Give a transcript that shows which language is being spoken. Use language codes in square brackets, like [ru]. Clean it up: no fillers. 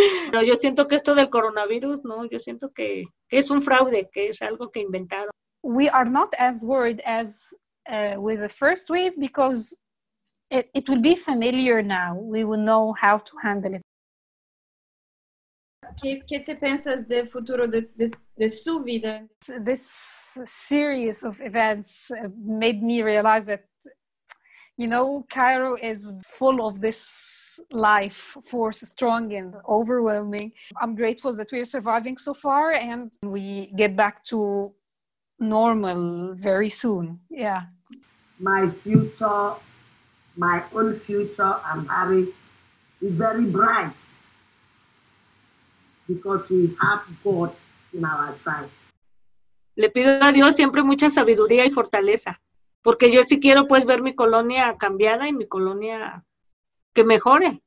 [es] Pero yo siento que esto del coronavirus, no, yo siento que es un fraude, que es algo que inventaron. [en] We are not as worried as with the first wave because it will be familiar now. We will know how to handle it. [es] ¿Qué te piensas del futuro de su vida? [en] This series of events made me realize that, you know, Cairo is full of this life force, strong and overwhelming. I'm grateful that we are surviving so far and we get back to normal very soon. Yeah. My future, my own future, I'm happy, is very bright because we have God in our side. [es] Le pido a Dios siempre mucha sabiduría y fortaleza porque yo sí quiero pues ver mi colonia cambiada y mi colonia que mejore.